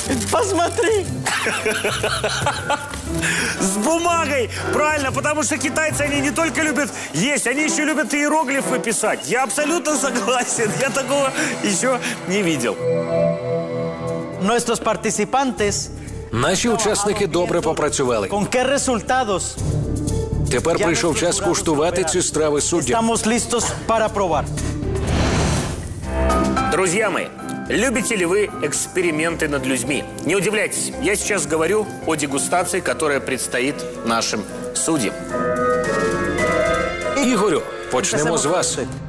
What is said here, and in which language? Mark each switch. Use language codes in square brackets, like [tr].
[ru] Посмотри! С бумагой! Правильно, потому что китайцы, они не только любят есть, они еще любят иероглифы писать. Я абсолютно согласен, я такого еще не видел. [es] Nuestros participantes. [uk] Наші учасники добре попрацювали. [es] Con qué resultados? [uk] Тепер прийшов час куштувати ці страви суддям. [es] Estamos listos para probar. [ru] Друзья мои, любите ли вы эксперименты над людьми? Не удивляйтесь, я сейчас говорю о дегустации, которая предстоит нашим судьям. [uk] Игорю, почнемо с вас.